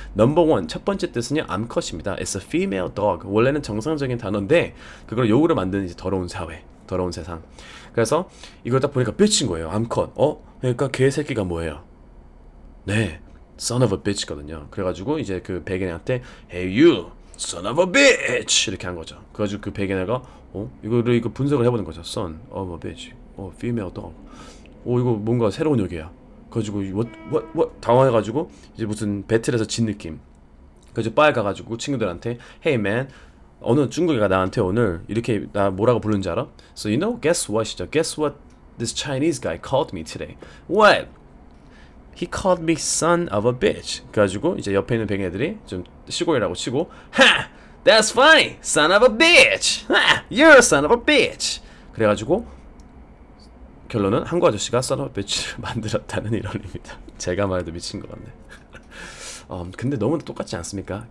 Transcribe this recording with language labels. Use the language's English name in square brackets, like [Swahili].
[English] Number one, [Korean] 첫 번째 뜻은요, amcot입니다. [English] It's a female dog. [Korean] 원래는 정상적인 단어인데 그걸 욕으로 만든 이제 더러운 사회, 더러운 세상. 그래서 이걸 딱 보니까 bitch인 거예요, amcot. 그러니까 개새끼가 뭐예요? 네, son of a bitch거든요. 그래가지고 이제 그 백인한테 [English] Hey you, son of a bitch! [Korean] 이렇게 한 거죠. 그래가지고 그 백인애가 이거 분석을 해보는 거죠. [English] Son of a bitch. Female dog. [Korean] 이거 뭔가 새로운 욕이야. 가지고 what 당황해가지고 이제 무슨 배틀에서 진 느낌. 그래서 바에 가가지고 친구들한테 [English] Hey man, [Korean] 어느 중국애가 나한테 오늘 이렇게 나 뭐라고 부르는지 알아? [English] So you know, guess what? Guess what this Chinese guy called me today? What? He called me son of a bitch. [Korean] 그래가지고 이제 옆에 있는 백인애들이 좀 시골이라고 치고 Ha! [English] That's funny! Son of a bitch! Ha! You're a son of a bitch! [Korean] 그래가지고 결론은 한국 아저씨가 son of a bitch를 만들었다는 이론입니다. 제가 말해도 미친 것 같네. 근데 너무나 똑같지 않습니까?